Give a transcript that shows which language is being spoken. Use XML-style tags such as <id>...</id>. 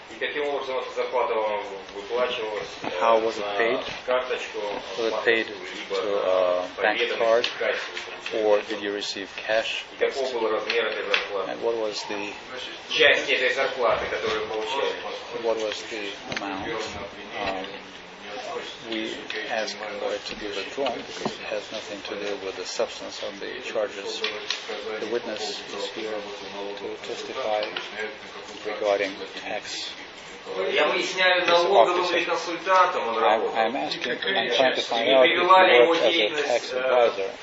<ru>И каким образом эта зарплата вам выплачивалась?</ru> <en>How was it paid?</en> <ru>Карточку,</ru> <en>was it paid to a bank card, or did you receive cash?</en> <ru>И каков был размер этой зарплаты?</ru> <en>And what was the</en> <ru>часть этой зарплаты, которую получали?</ru> <en>What was the amount? We ask for it to be withdrawn because it has nothing to do with the substance of the charges. The witness is here to testify regarding tax.</en> <ru>Я выясняю налоговым консультантом, он работает. Я выясняю, как он работает как адвокат.</ru>